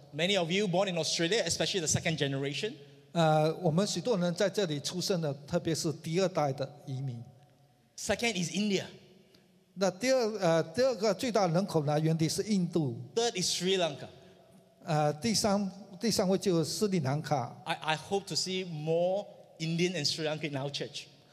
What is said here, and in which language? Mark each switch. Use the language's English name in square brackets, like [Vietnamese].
[English] Many of you born in Australia, especially the second generation. [Chinese] 我们许多人在这里出生的，特别是第二代的移民。 [English] Second is India. [Chinese] 那第二个最大人口来源地是印度。 [English] Third is Sri Lanka. [Chinese] 第三位就是斯里兰卡。 [English] I hope to see more Indian and Sri Lankan in our church.